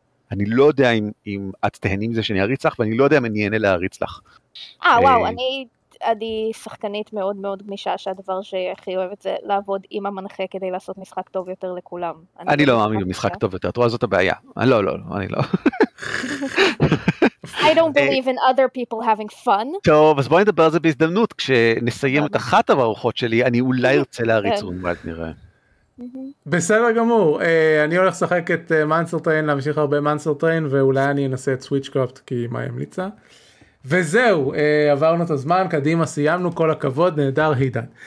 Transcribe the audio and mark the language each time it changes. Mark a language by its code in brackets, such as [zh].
[he] אני לא יודע אם את תהנים מזה שאני אריץ לך, ואני לא יודע אם אני אענה להריץ לך. וואו, אני שחקנית מאוד מאוד גמישה, שהדבר שהכי אוהבת זה לעבוד עם המנחה כדי לעשות משחק טוב יותר לכולם. אני לא מאמין במשחק טוב יותר, את רואה זאת הבעיה. לא, לא, אני לא. [en] I don't believe in other people having fun. [he] טוב, אז בואי נדבר על זה בהזדמנות, כשנסיים את אחת הברוכות שלי, אני אולי ארצה להריץ רונגלד נראה. בסדר גמור, אני הולך לשחק את מנסטר טריין, להמשיך הרבה מנסטר טריין, ואולי אני אנסה את סוויץ'קראפט, כי מה ימליצה. וזהו, עברנו את הזמן, קדימה, סיימנו, כל הכבוד, נהדר, הידן.